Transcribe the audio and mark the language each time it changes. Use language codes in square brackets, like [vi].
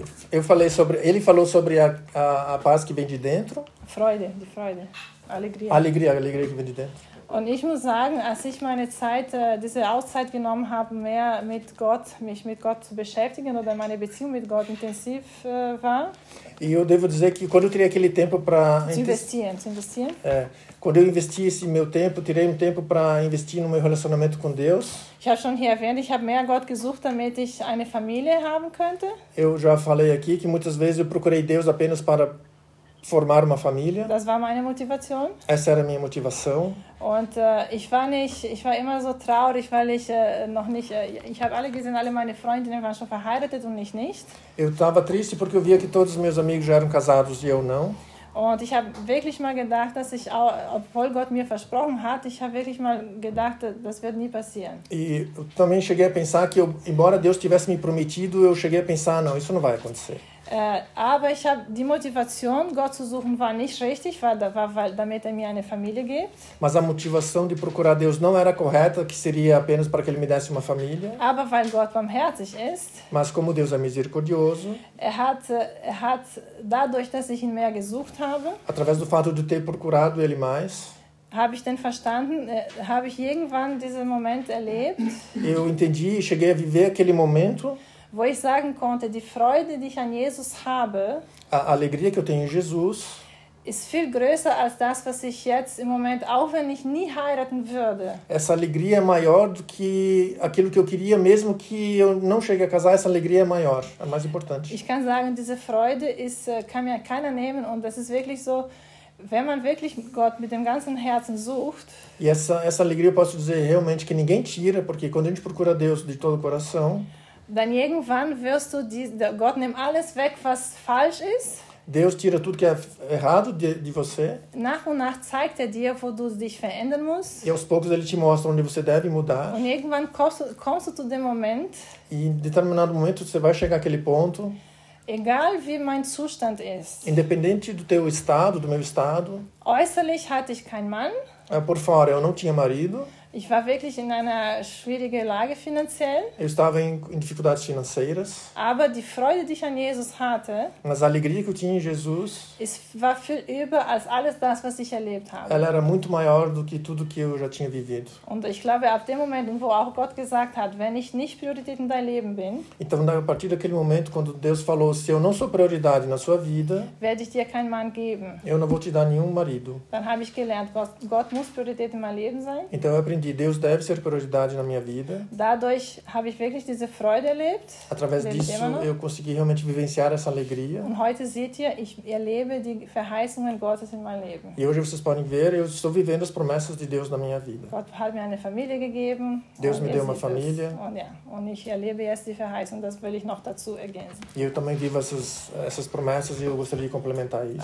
[pt] Ele falou sobre a paz que vem de dentro. [de] Freude, die Freude. Alegria. [pt] Alegria que vem de dentro. [de] Und ich muss sagen, als ich meine Zeit, diese Auszeit genommen habe, mehr mit Gott, mich mit Gott zu beschäftigen oder meine Beziehung mit Gott intensiv war. [pt] E eu devo dizer que quando eu tirei aquele tempo para investir. Quando eu investi esse meu tempo, tirei um tempo para investir no meu relacionamento com Deus. [de] Ich habe schon hier erwähnt, ich habe mehr Gott gesucht, damit ich eine Familie haben könnte. [pt] Eu já falei aqui que muitas vezes eu procurei Deus apenas para formar uma família. [de] Das war meine Motivation. [pt] Essa era a minha motivação. [de] Und ich war immer so traurig, weil ich noch nicht ich habe alle gesehen, alle meine Freundinnen waren schon verheiratet und ich nicht. [pt] Eu estava triste porque eu via que todos os meus amigos já eram casados e eu não. [de] Und ich habe wirklich mal gedacht, dass ich auch, obwohl Gott mir versprochen hat, ich habe wirklich mal gedacht, das wird nie passieren. [pt] E eu também cheguei a pensar que eu, embora Deus tivesse me prometido, eu cheguei a pensar, não, isso não vai acontecer. [de] Aber ich habe die Motivation, Gott zu suchen, war nicht richtig, weil damit er mir eine Familie gibt. [pt] Mas a motivação de procurar Deus não era correta, que seria apenas para que ele me desse uma família. [de] Aber weil Gott barmherzig ist. [pt] Mas como Deus é misericordioso. [de] Er hat dadurch, dass ich ihn mehr gesucht habe. [pt] Através do fato de ter procurado ele mais. [de] Habe ich denn verstanden? Habe ich irgendwann diesen Moment erlebt? [pt] Eu entendi e cheguei a viver aquele momento. [de] Wo ich sagen konnte, die Freude, die ich an Jesus habe, [pt] a alegria que eu tenho em Jesus, [de] ist viel größer als das, was ich jetzt im Moment, auch wenn ich nie heiraten würde. [pt] Essa alegria é maior do que aquilo que eu queria, mesmo que eu não chegue a casar, essa alegria é maior, é mais importante. [de] Ich kann sagen, diese Freude ist, kann mir keiner nehmen, und das ist wirklich so, wenn man wirklich Gott mit dem ganzen Herzen sucht. [pt] E essa alegria eu posso dizer realmente que ninguém tira, porque quando a gente procura Deus de todo o coração, [de] dann irgendwann wirst du Gott nimmt alles weg, was falsch ist. [pt] Deus tira tudo que é errado de você. [de] Nach und nach zeigt er dir, wo du dich verändern musst. [pt] E aos poucos ele te mostra onde você deve mudar. [de] Und irgendwann kommst du zu dem Moment. [pt] E em determinado momento você vai chegar àquele ponto. [de] Egal wie mein Zustand ist. [pt] Independente do teu estado, do meu estado. [de] Äußerlich hatte ich keinen Mann. [pt] Por fora eu não tinha marido. [de] Ich war wirklich in einer schwierigen Lage finanziell. [pt] Eu estava em dificuldades financeiras. [de] Aber die Freude, die ich an Jesus hatte, [pt] mas a alegria que eu tinha em Jesus, [de] ist, war viel über als alles das, was ich erlebt habe. [pt] Ela era muito maior do que tudo que eu já tinha vivido. [de] Und ich glaube, ab dem Moment, wo auch Gott gesagt hat, wenn ich nicht Priorität in dein Leben bin, [pt] então, a partir daquele momento, quando Deus falou, se eu não sou prioridade na sua vida, [de] werde ich dir keinen Mann geben. [pt] Eu não vou te dar nenhum marido. [de] Dann habe ich gelernt, Gott muss Priorität in meinem Leben sein. [pt] Então, de Deus deve ser prioridade na minha vida. [de] Dadurch habe ich wirklich diese Freude erlebt. [pt] Através disso eu consegui realmente vivenciar essa alegria. [de] Und heute seht ihr, ich erlebe die Verheißungen Gottes in meinem Leben. [pt] E hoje vocês podem ver, eu estou vivendo as promessas de Deus na minha vida. [de] Gott hat mir eine Familie gegeben. [pt] Deus me deu uma família. [de] Und ich erlebe jetzt die Verheißung, das will ich noch dazu ergänzen. [pt] E eu também vivo essas promessas e eu gostaria de complementar isso.